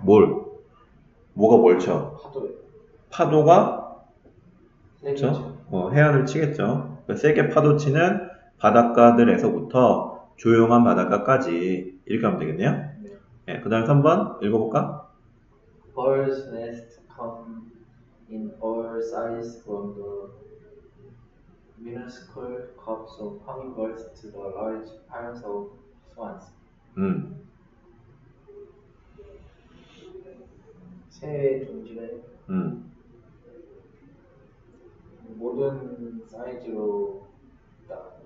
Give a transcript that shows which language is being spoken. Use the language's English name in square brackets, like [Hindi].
[Korean] 뭘? 뭐가 뭘 쳐? 파도. 파도가? 그렇죠? 해안을 치겠죠. 그러니까 세게 파도 치는 바닷가들에서부터 조용한 바닷가까지 이렇게 하면 되겠네요. 네. 네, 그 다음 3번 읽어볼까? [English] Birds nest come in all sizes from the minuscule cups of hummingbirds to the large piles of swans. [Korean] 새 종지는 모든 사이즈로 있다.